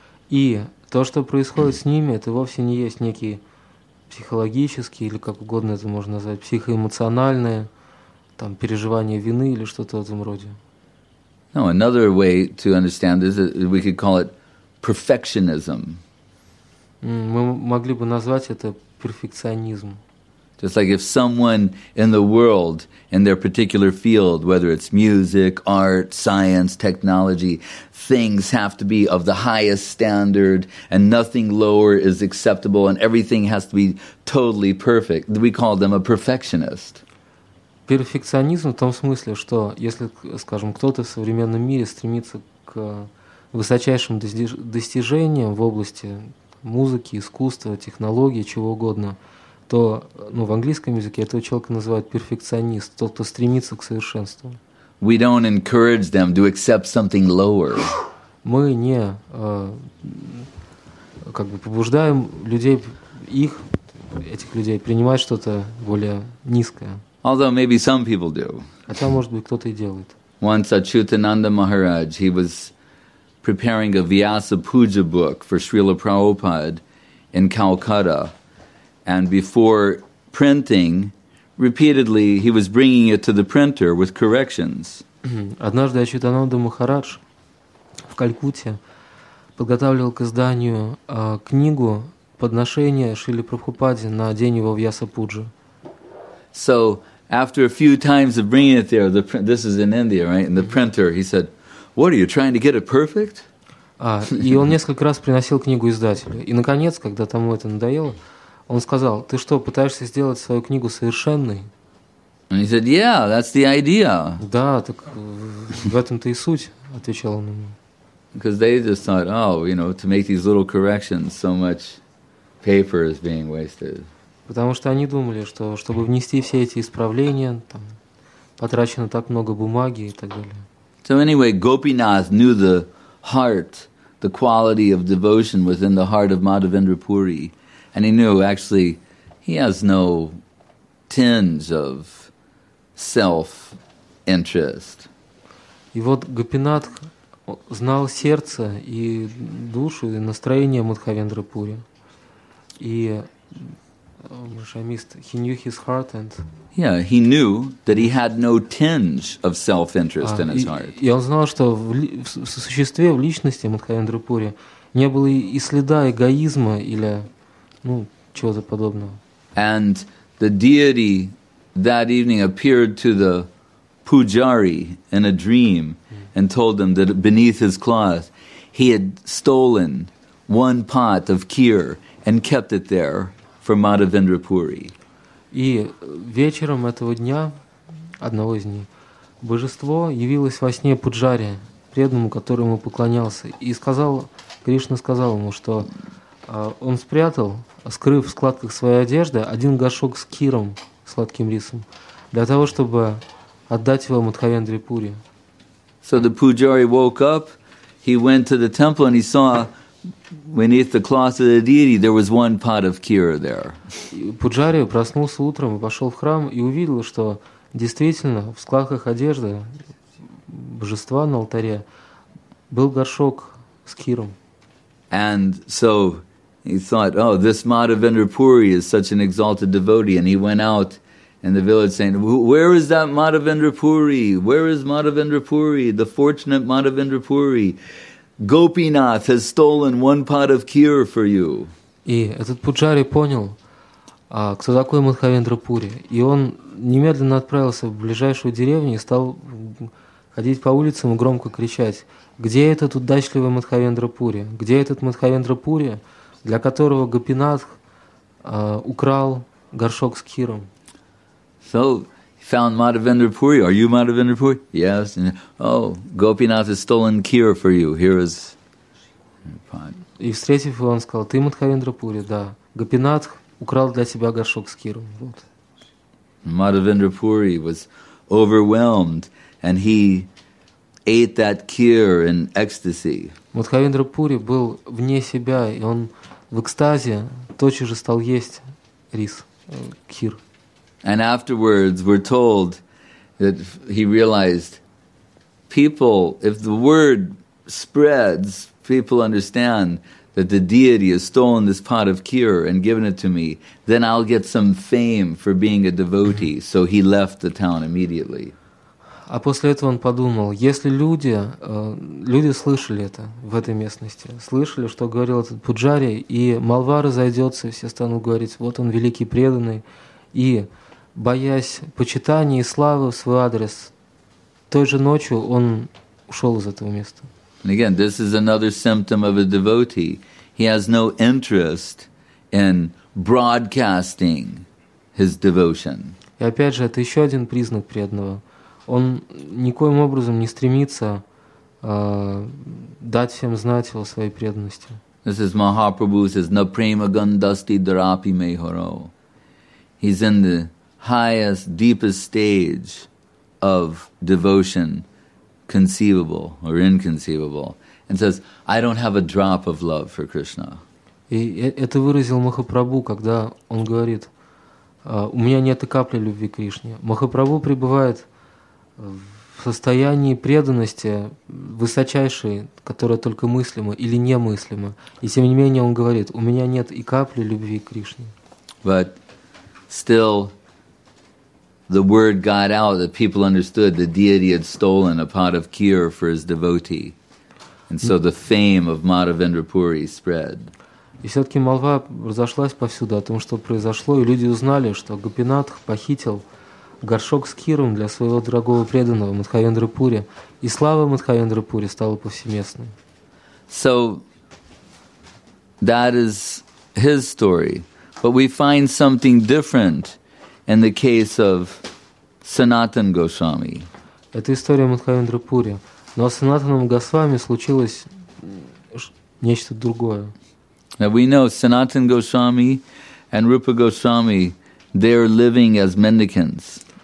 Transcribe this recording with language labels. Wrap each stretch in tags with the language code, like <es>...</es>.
<ru>И то, что происходит с ними, это вовсе не есть некий психологический или как угодно это можно назвать, психоэмоциональное там переживание вины или что-то в этом роде.</ru> <en>No, another way to understand this is we could call it perfectionism.</en> <ru>Мы могли бы назвать это перфекционизм.</ru> <en>Just like if someone in the world, in their particular field, whether it's music, art, science, technology, things have to be of the highest standard, and nothing lower is acceptable, and everything has to be totally perfect. We call them a perfectionist.</en> <ru>Перфекционизм в том смысле, что если, скажем, кто-то в современном мире стремится к высочайшим достижениям в области музыки, искусства, технологии, чего угодно, то, ну, в английском языке этого человека называют перфекционист, тот, кто стремится к совершенству.</ru> <en>We don't encourage them to accept something lower.</en> <ru>Мы не как бы побуждаем людей, их, этих людей, принимать что-то более низкое.</ru> <en>Although maybe some people do.</en> <ru>Хотя, может быть, кто-то и делает.</ru> <en>Once Achyutananda Maharaj, he was preparing a Vyasa Puja book for Srila Prabhupada in Calcutta. And before printing, repeatedly, he was bringing it to the printer with corrections.</en> <ru>Однажды Ачьютананда Махарадж в Калькутте подготавливал к изданию книгу подношения Шрили Прабхупаде на день его Вьяса-пуджи.</ru> <en>So, after a few times of bringing it there, this is in India, right? And the printer, he said, what, are you trying to get it perfect?</en> <ru>И он несколько раз приносил книгу издателю. И, наконец, когда тому это надоело, он сказал, ты что, пытаешься сделать свою книгу совершенной?</ru> <en>And he said, yeah, that's the idea.</en> <ru>Да, так в этом-то и суть, отвечал он ему.</ru> <en>Because they just thought, oh, you know, to make these little corrections, so much paper is being wasted.</en> <ru>Потому что они думали, что чтобы внести все эти исправления, там, потрачено так много бумаги и так далее.</ru> <en>So anyway, Gopinath knew the heart, the quality of devotion within the heart of Madhavendra Puri. And he knew, actually, He has no tens of self-interest.</en> <ru>И вот Гопинатх знал сердце и душу и настроение Мадхавендры Пури. И Шамист,</ru> <en>he knew his heart and yeah, he knew that he had no tinge of self-interest in his heart.</en> <ru>И он знал, что в существе, в личности Мадхавендры Пури не было и следа эгоизма или ну чего-то подобного.</ru> <en>And the deity that evening appeared to the pujari in a dream and told him that beneath his cloth he had stolen one pot of kheer and kept it there for Madhavendra Puri.</en> <ru>И вечером этого дня, одного из них, божество явилось во сне Пуджари, преданному, который ему поклонялся, и сказал, Кришна сказал ему, что он спрятал, скрыв в складках своей одежды, один горшок с киром, сладким рисом, для того, чтобы отдать его Мадхавендре Пури.</ru> <en>So the Pujari woke up, he went to the temple and he saw beneath the cloth of the deity, there was one pot of kheer there.</en> <ru>Пуджари проснулся утром и пошел в храм и увидел, что действительно в складках одежды божества на алтаре был горшок с киром.</ru> <en>And so he thought, oh, this Madhavendra Puri is such an exalted devotee, and he went out in the village saying, where is that Madhavendra Puri? Where is Madhavendra Puri? The fortunate Madhavendra Puri. Gopinath has stolen one pot of kheer for you.</en> <ru>И этот пуджари понял, кто такой Мадхавендра Пури, и он немедленно отправился в ближайшую деревню и стал ходить по улицам и громко кричать: где этот удачливый Мадхавендра Пури? Где этот Мадхавендра Пури, для которого Гопинатх украл горшок с кхиром?</ru> <en>So found Madhavendra Puri. Are you Madhavendra Puri? Yes. And, oh, Gopinath has stolen kheer for you. Here is pot.</en> <ru>И встретив его, он сказал: ты Мадхавендра Пури, да. Гопинатх украл для себя горшок с киром. Вот.</ru> <en>Madhavendra Puri was overwhelmed and he ate that kheer in ecstasy.</en> <ru>Мадхавендра Пури был вне себя, и он в экстазе тотчас же стал есть рис, кхир.</ru> <en>And afterwards, we're told that he realized people, if the word spreads, people understand that the deity has stolen this pot of kheer and given it to me, then I'll get some fame for being a devotee. So he left the town immediately.</en> <ru>А после этого он подумал, если люди слышали это в этой местности, слышали, что говорил этот пуджари, и молва разойдется, все станут говорить, вот он великий преданный, и боясь почитания и славы в свой адрес, той же ночью он ушел из этого места.</ru> <en>And again, this is another symptom of a devotee. He has no interest in broadcasting his devotion.</en> <ru>И опять же, это еще один признак преданного. Он никоим образом не стремится дать всем знать о своей преданности.</ru> <en>This is Mahaprabhu says,</en> <sa>"Na prema gandasti drapi mehoro."</sa> <en>He's in the highest, deepest stage of devotion conceivable or inconceivable and says, I don't have a drop of love for Krishna.</en> <ru>И это выразил Махапрабху, когда он говорит, у меня нет и капли любви к Кришне. Махапрабху пребывает в состоянии преданности высочайшей, которая только мыслима или немыслима. И тем не менее он говорит, у меня нет и капли любви к Кришне.</ru> <en>But still, the word got out that people understood the deity had stolen a pot of kheer for his devotee. And so the fame of Madhavendra Puri spread.</en> <ru>И все-таки молва разошлась повсюду о том, что произошло, и люди узнали, что Гопинатх похитил горшок с киром для своего дорогого преданного Мадхавендры Пури, и слава Мадхавендры Пури стала повсеместной.</ru> <en>So that is his story. But we find something different in the case of Sanatan Goswami.</en> <ru>Это история Мадхавендры Пури. Но с Санатаном Госвами случилось нечто другое.</ru> <en>Now we know Sanatan Goswami and Rupa Goswami, they are living as mendicants.</en>